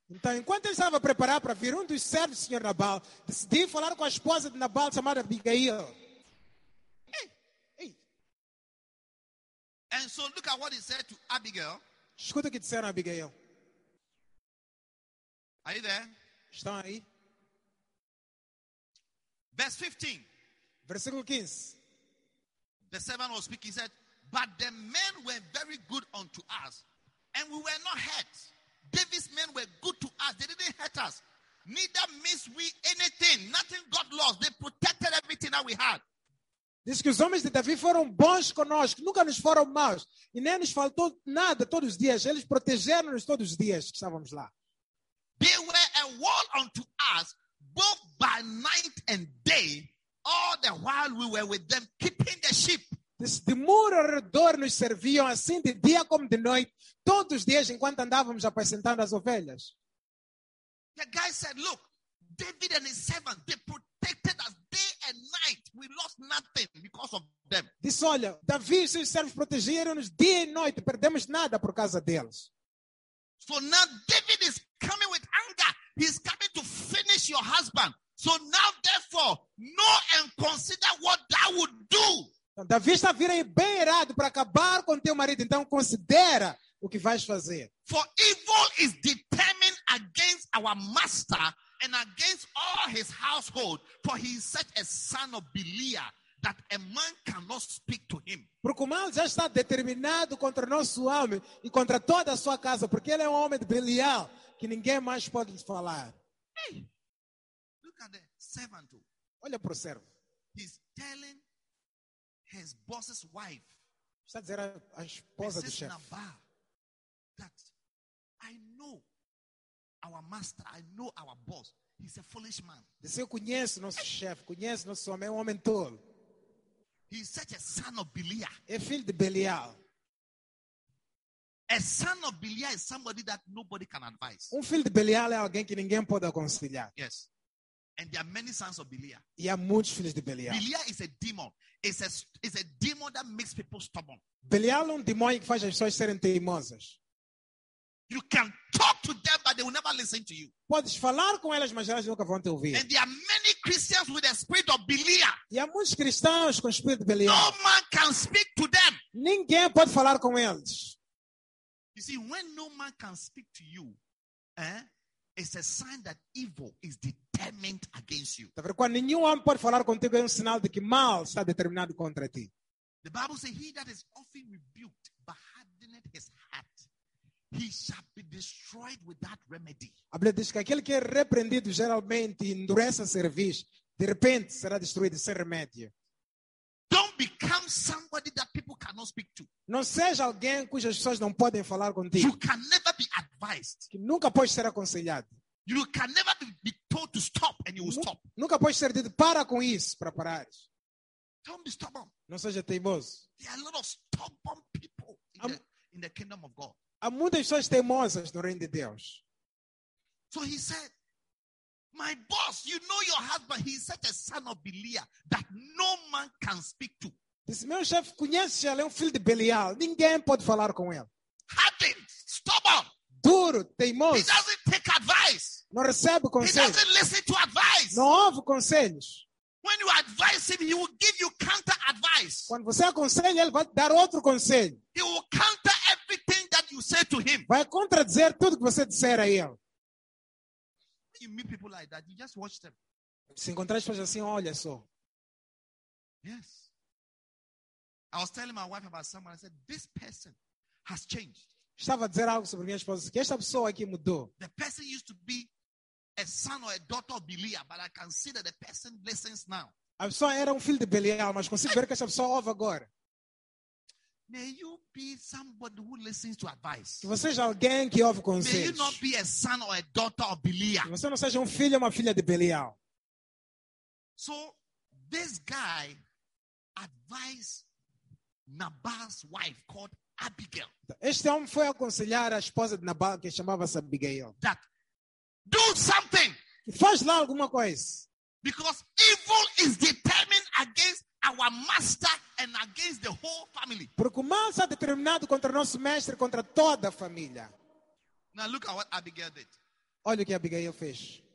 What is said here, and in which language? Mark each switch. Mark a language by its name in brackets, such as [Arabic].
[Portuguese] Então, enquanto ele estava a preparar para vir, um dos servos do Senhor Nabal decidiu falar com a esposa de Nabal chamada Abigail. [English] And so look at what he said to Abigail. [Portuguese] Escuta o que disseram a Abigail. [English] Are you there? [Portuguese] Estão aí? [English] Verse 15. [Portuguese] Versículo 15. [English] The servant was speaking. He said, but the men were very good unto us, and we were not hurt. David's men were good to us. They didn't hurt us. Neither missed we anything. Nothing got lost. They protected everything that we had. [Portuguese] Diz que os homens de Davi foram bons conosco, nunca nos foram maus. E nem nos faltou nada todos os dias. Eles protegeram-nos todos os dias que estávamos lá. [English] They were a wall unto us, both by night and day, all the while we were with them, keeping the sheep. [Portuguese] Diz, de muro ao redor nos serviam assim de dia como de noite, todos os dias enquanto andávamos apacentando as ovelhas. [English] The guy said, look, David and his servants, they protected us. And night, we lost nothing because of them. [Portuguese] Diz, olha, Davi e seus servos protegeram-nos dia e noite. Perdemos nada por causa deles. [English] So now David is coming with anger. He's coming to finish your husband. So now therefore, know and consider what thou would do. [Portuguese] Então, Davi está virando bem irado para acabar com teu marido. Então considera o que vais fazer. [English] For evil is determined against our master and against all his household, for he is such a son of Belial that a man cannot speak to him. [Portuguese] Porque o mal já está determinado contra nosso homem e contra toda a sua casa, porque ele é um homem de Belial que ninguém mais pode falar. [English] Hey, look at the servant. [Portuguese] Olha para o servo. [English] He's telling his boss's wife. [Portuguese] Está dizendo a esposa do chefe. [English] Nabal, that I know our master, I know our boss. He's a foolish man. [Portuguese] Diz, eu conheço nosso chefe, conheço nosso homem, é um homem tolo. [English] He's such a son of Belial. [Portuguese] É filho de Belial. [English] A son of Belial is somebody that nobody can advise. [Portuguese] Um filho de Belial é alguém que ninguém pode aconselhar. [English] Yes. And there are many sons of Belial. [Portuguese] E há muitos filhos de Belial. [English] Belial is a demon. It's a demon that makes people stubborn. [Portuguese] Belial é um demônio que faz as pessoas serem teimosas. [English] You can talk to them, but they will never listen to you. [Portuguese] Podes falar com elas, mas elas nunca vão te ouvir. [English] And there are many Christians with the spirit of Belial. [Portuguese] E há muitos cristãos com o espírito de Belial. [English] No man can speak to them. [Portuguese] Ninguém pode falar com eles. [English] You see, when no man can speak to you, it's a sign that evil is determined against you. [Portuguese] Quando nenhum homem pode falar contigo, é um sinal de que mal está determinado contra ti. [English] The Bible says, he that is often rebuked, but hardeneth his heart, he shall be destroyed with that remedy. [Portuguese] A Bíblia diz que aquele que é repreendido geralmente endurece a cerviz, de repente será destruído sem remédio. [English] Don't become somebody that people cannot speak to. [Portuguese] Não seja alguém cujas pessoas não podem falar contigo. [English] You can never be advised. [Portuguese] Que nunca pode ser aconselhado. [English] You can never be told to stop and you will stop. [Portuguese] Nunca pode ser dito para com isso, para parar. [English] Don't be stubborn. [Portuguese] Não seja teimoso. [English] There are a lot of stubborn people in the kingdom of God. [Portuguese] Há muitas pessoas teimosas no reino de Deus. [English] So he said, My boss, you know your husband, he's such a son of Belial that no man can speak to. [Portuguese] Disse, meu chefe, conhece, ele é filho de Belial. Ninguém pode falar com ele. [English] Hardened, stubborn. [Portuguese] Duro, teimoso. [English] He doesn't take advice. [Portuguese] Não recebe conselhos. [English] He doesn't listen to advice. [Portuguese] Não ouve conselhos. [English] When you advise him, he will give you counter advice. [Portuguese] Quando você aconselha, ele vai dar outro conselho. [English] He will counter everything that you say to him. [Portuguese] Vai contradizer tudo que você disser a ele. [English] When you meet people like that, you just watch them. [Portuguese] Se encontrar pessoas assim, olha só. [English] Yes. I was telling my wife about someone. I said, this person has changed. [Portuguese] Estava a dizer algo sobre minha esposa. Que esta pessoa aqui mudou. [English] The person used to be a son or a daughter of Belial, but I can see that the person listens now. [Portuguese] A pessoa era filho de Belial, mas consigo ver que esta pessoa ouve agora. [English] May you be somebody who listens to advice. [Portuguese] Que você seja alguém que ouve conselhos. [English] May you not be a son or a daughter of Belial. [Portuguese] Que você não seja filho ou uma filha de Belial. [English] So, this guy advised Nabal's wife called Abigail. [Portuguese] Este homem foi aconselhar a esposa de Nabal, que chamava-se Abigail. [English] That do something. [Portuguese] Faz lá alguma coisa. [English] Because evil is determined against our master and against the whole family. [Portuguese] Porque o mal está determinado contra nosso mestre, contra toda a família. [English] Now look at what Abigail did. [Portuguese] Olha o que Abigail fez.